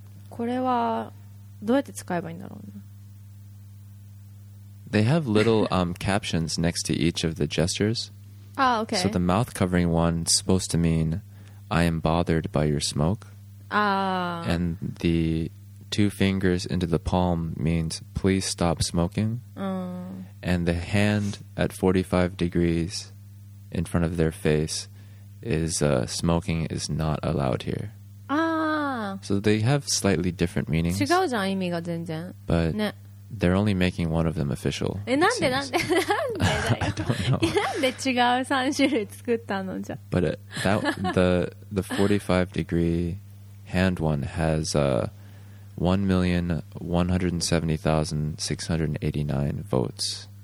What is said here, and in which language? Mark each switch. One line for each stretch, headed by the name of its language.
Japanese: これはどうやって使えばいいんだろうね。
English: They have little captions next to each of the gestures. Ah, okay. So the mouth covering one is supposed to mean I am bothered by your smoke. And the two fingers into the palm means please stop smoking. And the hand at 45 degrees in front of their face is smoking is not allowed here. So they have slightly different meanings.
Japanese: 違うじゃん、意味が全然。
English: But、ね。They're only making one of them official.
Japanese: なんでだよ。
English: I don't know.
Japanese: なんで違う3種類作ったのじゃ。
English: But the 45 degree hand one has 1,170,689 votes.